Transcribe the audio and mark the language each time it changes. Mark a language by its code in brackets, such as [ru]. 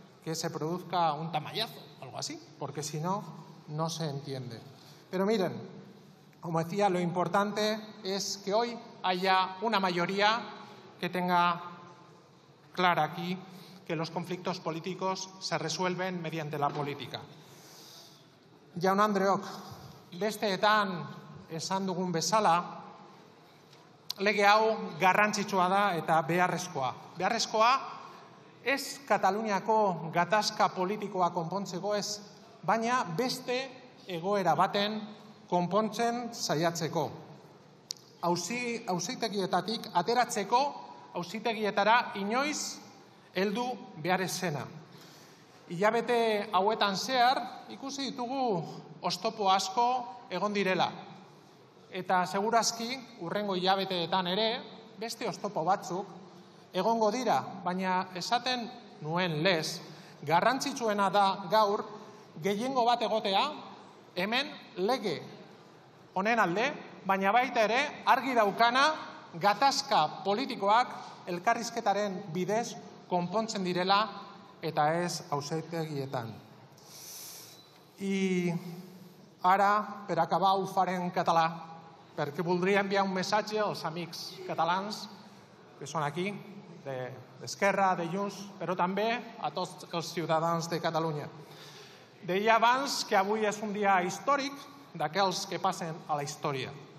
[es] que se produzca un tamallazo o algo así, porque si no, no se entiende. Pero miren, como decía, lo importante es que hoy haya una mayoría que tenga clara aquí que los conflictos políticos se resuelven mediante la política. [eu] Jaun andreok, besteetan esan dugun bezala, lege hau garrantzitsua da eta beharrezkoa. Beharrezkoa ez Kataluniako gatazka politikoa konpontzeko ez, baina beste egoera baten konpontzen saiatzeko. Auzitegietatik ateratzeko auzitegietara inoiz heldu behar ezena. Hilabete hauetan zehar ikusi ditugu oztopo asko egon direla. Eta segurazki, urrengo hilabeteetan ere, beste oztopo batzuk egongo dira, baina esaten nuen lez, garrantzitsuena da gaur gehiengo bat egotea hemen lege honen alde, baina baita ere argi daukana gatazka politikoak elkarrizketaren bidez konpontzen direla eta ez auzitegietan. [ca] I ara, per acabar, ho faré en català, perquè voldria enviar un missatge als amics catalans que són aquí, d'Esquerra, de Junts, però també a tots els ciutadans de Catalunya. Deia abans que avui és un dia històric d'aquells que passen a la història.